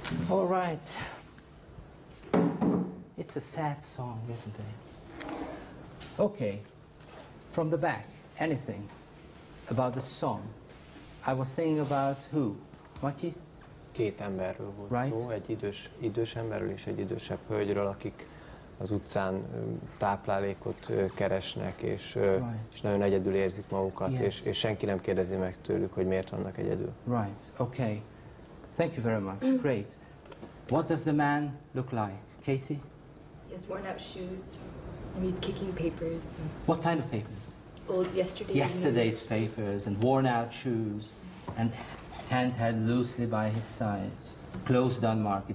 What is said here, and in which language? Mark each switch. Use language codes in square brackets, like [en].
[en] All right. It's a sad song, isn't it? Okay. From the back, anything about the song. I was singing about who? Matyi? [hu] Két emberről volt [en] right? [hu] Szó, egy idős emberről és egy idősebb hölgyről, akik az utcán táplálékot keresnek, és, right. És nagyon egyedül érzik magukat, [en] yes. [hu] és senki nem kérdezi meg tőlük, hogy miért vannak egyedül. [en] Right, okay. Thank you very much. Great. What does the man look like? Katie? He has worn out shoes, and he's kicking papers. What kind of papers? Old yesterday's. Yesterday's papers and worn out shoes and hand held loosely by his sides. Closed down market.